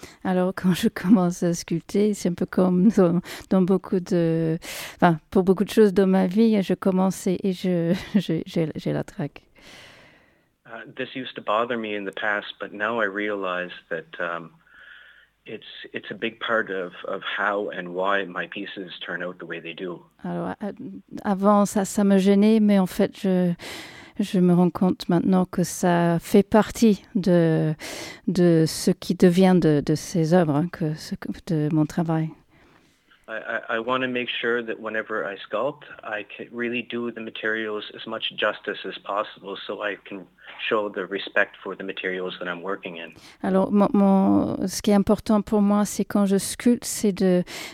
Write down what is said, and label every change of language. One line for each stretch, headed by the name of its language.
French: Alors quand je commence à sculpter, c'est un peu comme dans beaucoup de, enfin pour beaucoup de choses dans ma vie, je commence et j'ai la traque.
English: This used to bother me in the past, but now I realize that it's a big part of how and why my pieces turn out the way they do.
French: Alors avant ça me gênait, mais en fait je me rends compte maintenant que ça fait partie de ce qui devient de ces œuvres, que ce de mon travail.
English: I want to make sure that whenever I sculpt, I can really do the materials as much justice as possible, so I can show the respect for the materials that I'm working in.
French: Alors, ce qui est important pour moi, c'est quand je sculpte, c'est de